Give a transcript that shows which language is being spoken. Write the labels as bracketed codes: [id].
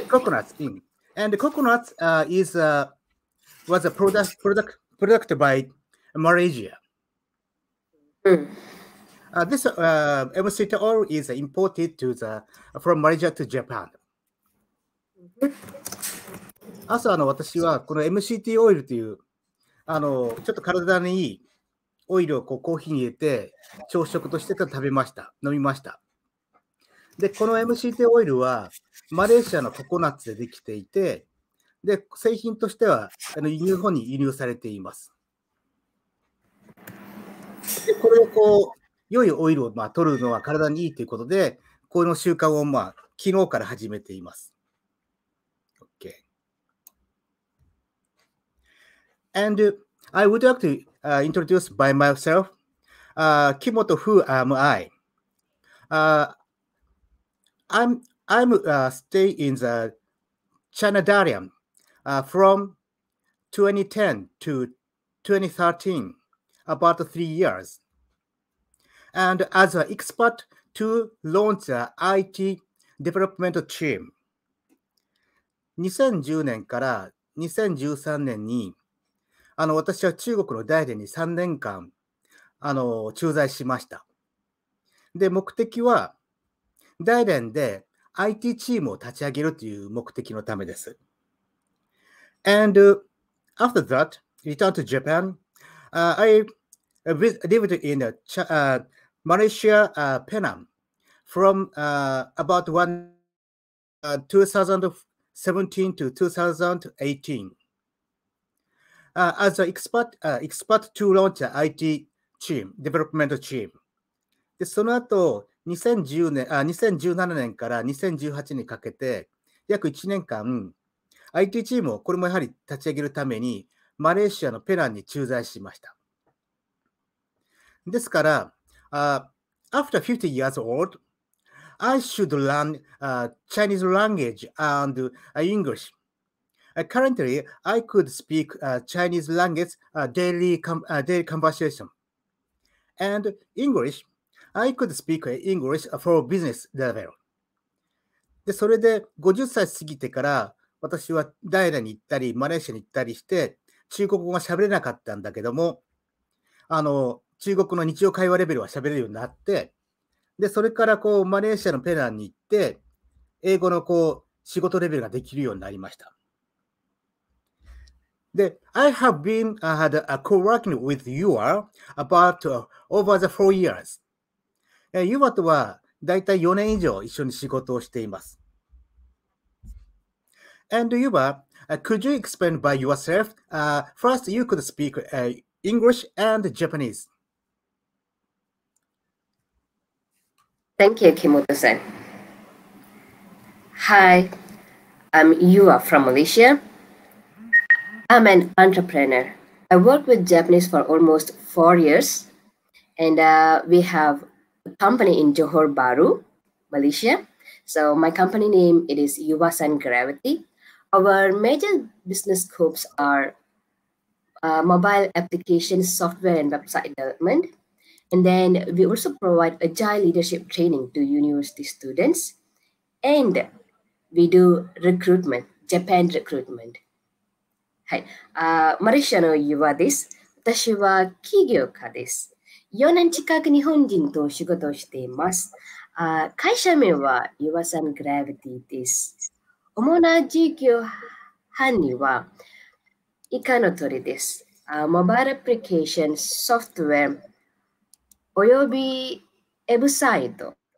[en] Coconuts. And the coconuts was a product by Malaysia. This MCT oil is imported to the from Malaysia to Japan. Mm-hmm. [ja] 朝の私はこの MCT オイルというあのちょっと体にいいオイルをこうコーヒーに入れて朝食として食べました、飲みました。で、この MCT オイルはマレーシアのココナッツでできていて、で、製品としては日本に輸入されています。で、これをこう良いオイルをまあ取るのは体にいいということで、この習慣をまあ昨日から始めています。 [en] OK. And I would like to introduce by myself, Kimoto, who am I? I'm stay in the China Dalian from 2010 to 2013, about 3 years. And as an expert to launch the IT development team. [ja] 2010年から2013年に、あの私は中国の大連に3年間あの駐在しました。で、目的は大連で IT チームを立ち上げるという目的のためです。 [en] And after that, return to Japan, I lived in a Malaysia, Penang, from about 2017 to 2018, as an expert to launch an IT team, development team. [ja] で、その後、2017年から2018年にかけて、約1年間、IT チームをこれもやはり立ち上げるために、マレーシアのペナンに駐在しました。ですから、 [en] after 50 years old, I should learn Chinese language and English. Currently, I could speak Chinese language daily conversation. And English, I could speak English for business level. [ja] で、それで50歳過ぎてから私はダイナに行ったりマレーシアに行ったりして中国語が喋れなかったんだけども、あの中国の日常会話レベルは喋れるようになって、で、それからこう、マレーシアのペナンに行って、英語のこう、仕事レベルができるようになりました。 [en] で、I have been, I had a co-working with you about over the 4 years. You are [ja] とは、だいたい4年以上一緒に仕事をしています。 [en] And you are, could you explain by yourself? First, you could speak English and Japanese. Thank you, Kimoto-san. Hi, I'm Yua from Malaysia. I'm an entrepreneur. I work with Japanese for almost 4 years, and we have a company in Johor Bahru, Malaysia. So my company name, it is Yua-san Gravity. Our major business scopes are mobile application software and website development, And then we also provide agile leadership training to university students. And we do recruitment, Japan recruitment. [ja] マリシャの岩です。私は企業家です。4 年近く日本人と仕事をしています。会社名は岩さんグラビティです。主な事業範囲は以下の通りです。モバイルアプリケーションソフトウェアおよびウェブサイト。